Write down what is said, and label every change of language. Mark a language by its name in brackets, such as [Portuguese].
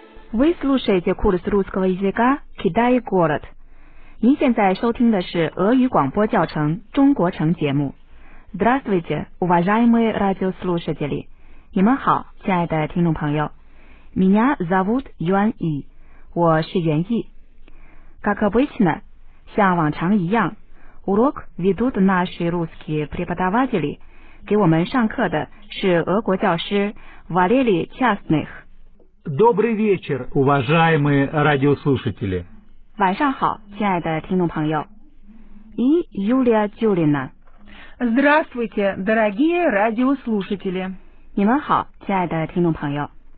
[Russian] Вы слушаете курс русского языка «Китай город». [Chinese] 您现在收听的是俄语广播教程《中国城》节目。 [Russian] Здравствуйте, уважаемые радиослушатели! [Chinese] 你们好，亲爱的听众朋友。 [Russian] Меня зовут Юан И, [Chinese] 我是袁毅。 [Russian] Как обычно, [Chinese] 像往常一样 [Russian] ,урок ведут наши русские преподаватели, [Chinese] 给我们上课的是俄国教师 [Russian] Валерий Частных。 Добрый вечер, уважаемые радиослушатели. [Chinese] 晚上好，亲爱的听众朋友。 [Russian] И Юлия Тюлина. Здравствуйте, дорогие радиослушатели. [Chinese] 你们好，亲爱的听众朋友。